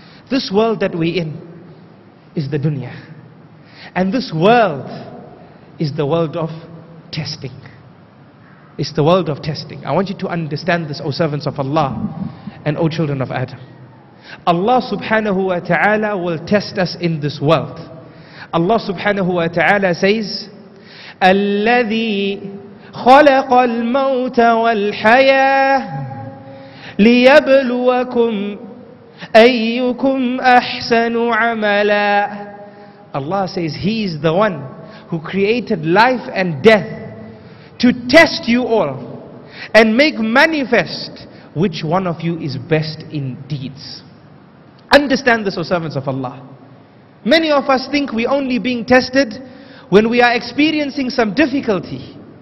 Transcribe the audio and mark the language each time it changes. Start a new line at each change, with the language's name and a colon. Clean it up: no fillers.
English: This world that we're in is the dunya. And this world is the world of testing. It's the world of testing. I want you to understand this, O servants of Allah and O children of Adam. Allah subhanahu wa ta'ala will test us in this world. Allah subhanahu wa ta'ala says,
Arabic: الَّذِي خَلَقَ الْمَوْتَ وَالْحَيَاةِ لِيَبْلُوَكُمْ أَيُّكُمْ أَحْسَنُ عَمَلًا.
English: Allah says, He is the one who created life and death to test you all and make manifest which one of you is best in deeds. Understand this, O servants of Allah. Many of us think we're only being tested when we are experiencing some difficulty.